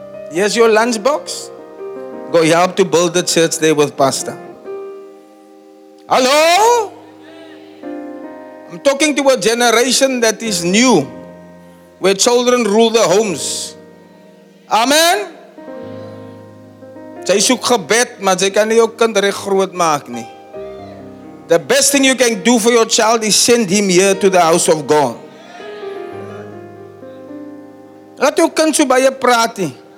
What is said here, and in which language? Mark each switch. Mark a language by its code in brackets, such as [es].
[en] Here's your lunchbox. Go help to build the church there with Pastor. Hello? I'm talking to a generation that is new, where children rule the homes. Amen? [af] Jy soek gebed, maar jy kan nie jou kind reg groot maak nie. [en] The best thing you can do for your child is send him here to the house of God. [af] Laat jou kind so baie praat nie.